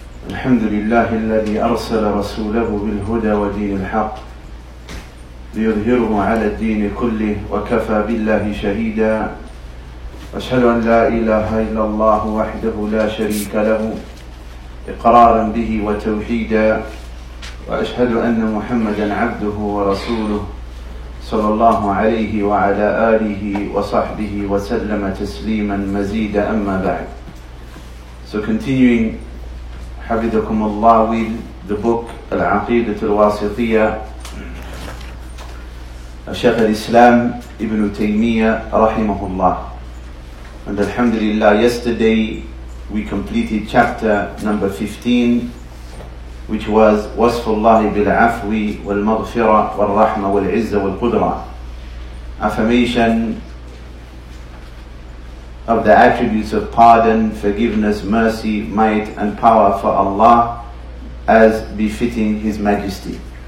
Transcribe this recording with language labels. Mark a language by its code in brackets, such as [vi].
[ar] الحمد لله الذي أرسل رسوله بالهدى ودين الحق ليظهره على الدين كله وكفى بالله شهيدا أشهد أن لا إله إلا الله وحده لا شريك له إقرارا به وتوحيدا وأشهد أن محمدا عبده ورسوله صلى الله عليه وعلى آله وصحبه وسلم تسليما مزيدا أما بعد. [en] So continuing, [ar] حفظكم الله [en] with the book العقيدة الواسطية. [ar] الشيخ الإسلام ابن تيمية رحمه الله. [en] And alhamdulillah, yesterday we completed chapter number 15, which was [ar] وصف الله بالعفو والمغفرة والرحمة والعزة والقدرة. [en] Affirmation of the attributes of pardon, forgiveness, mercy, might and power for Allah as befitting His Majesty.